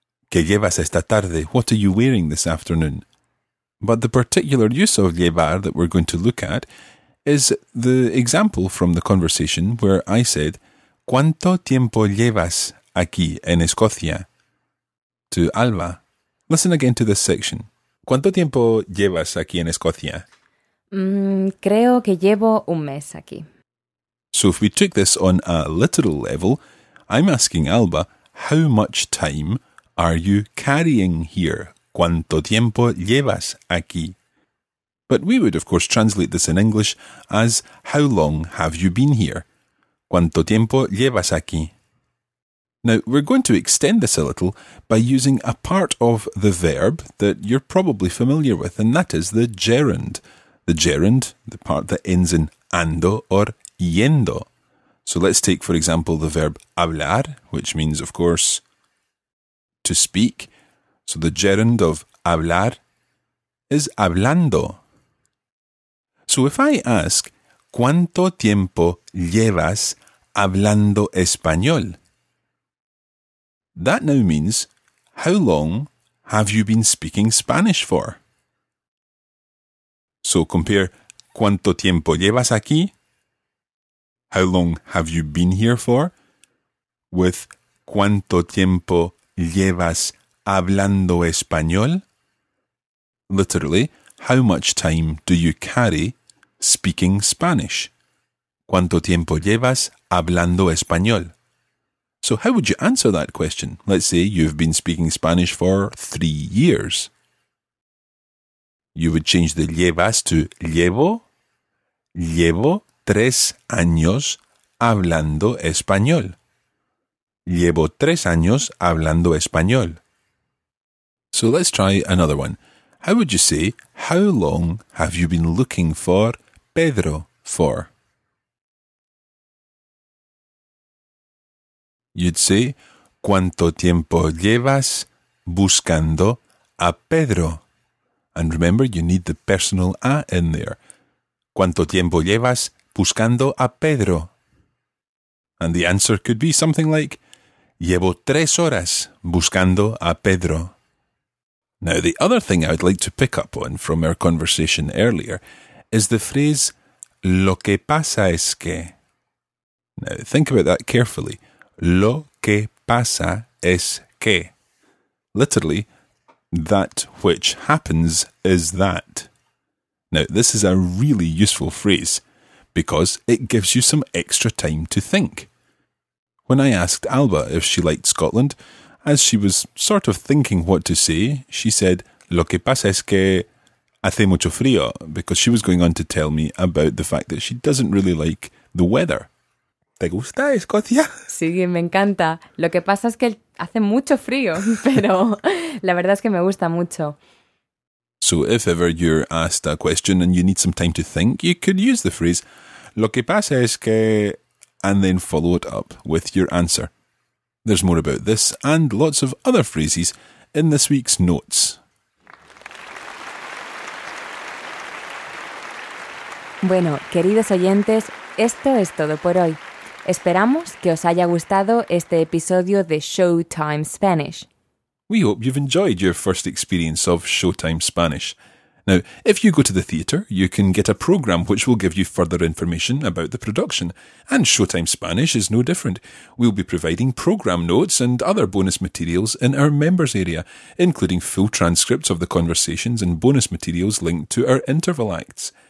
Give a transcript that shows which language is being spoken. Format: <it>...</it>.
<es>¿Qué llevas esta tarde?</es> <en>What are you wearing this afternoon? But the particular use of llevar that we're going to look at is the example from the conversation where I said,</en> <es>¿Cuánto tiempo llevas aquí en Escocia?</es> <en>To Alba. Listen again to this section.</en> <es>¿Cuánto tiempo llevas aquí en Escocia? Creo que llevo un mes aquí.</es> <en>So if we took this on a literal level, I'm asking Alba, how much time are you carrying here?</en> <es>¿Cuánto tiempo llevas aquí?</es> <en>But we would, of course, translate this in English as, how long have you been here?</en> <es>¿Cuánto tiempo llevas aquí?</es> <en>Now, we're going to extend this a little by using a part of the verb that you're probably familiar with, and that is the gerund. The gerund, the part that ends in ando or yendo. So let's take, for example, the verb hablar, which means, of course, to speak. So the gerund of hablar is hablando. So if I ask,</en> <es>¿cuánto tiempo llevas hablando español?</es> <en>That now means, how long have you been speaking Spanish for? So compare,</en> <es>¿cuánto tiempo llevas aquí?</es> <en>How long have you been here for?</en> <es>With, ¿cuánto tiempo llevas hablando español?</es> <en>Literally, how much time do you carry speaking Spanish?</en> <es>¿Cuánto tiempo llevas hablando español?</es> <en>So how would you answer that question? Let's say you've been speaking Spanish for 3 years. You would change the llevas to llevo.</en> <es>Llevo 3 años hablando español. Llevo 3 años hablando español.</es> <en>So let's try another one. How would you say, how long have you been looking for Pedro for? You'd say,</en> <es>¿cuánto tiempo llevas buscando a Pedro?</es> <en>And remember, you need the personal A in there.</en> <es>¿Cuánto tiempo llevas buscando a Pedro?</es> <en>And the answer could be something like,</en> <es>llevo 3 horas buscando a Pedro.</es> <en>Now, the other thing I'd like to pick up on from our conversation earlier is the phrase,</en> <es>lo que pasa es que.</es> <en>Now, think about that carefully.</en> <es>Lo que pasa es que.</es> <en>Literally, that which happens is that. Now, this is a really useful phrase because it gives you some extra time to think. When I asked Alba if she liked Scotland, as she was sort of thinking what to say, she said,</en> <es>lo que pasa es que hace mucho frío,</es> <en>because she was going on to tell me about the fact that she doesn't really like the weather.</en> <es>¿Te gusta Escocia? Sí, me encanta. Lo que pasa es que hace mucho frío, pero la verdad es que me gusta mucho.</es> <en>So if ever you're asked a question and you need some time to think, you could use the phrase,</en> <es>lo que pasa es que,</es> <en>and then follow it up with your answer. There's more about this and lots of other phrases in this week's notes.</en> <es>Bueno, queridos oyentes, esto es todo por hoy. Esperamos que os haya gustado este episodio de Showtime Spanish.</es> <en>We hope you've enjoyed your first experience of Showtime Spanish. Now, if you go to the theatre, you can get a programme which will give you further information about the production. And Showtime Spanish is no different. We'll be providing programme notes and other bonus materials in our members' area, including full transcripts of the conversations and bonus materials linked to our interval acts.</en>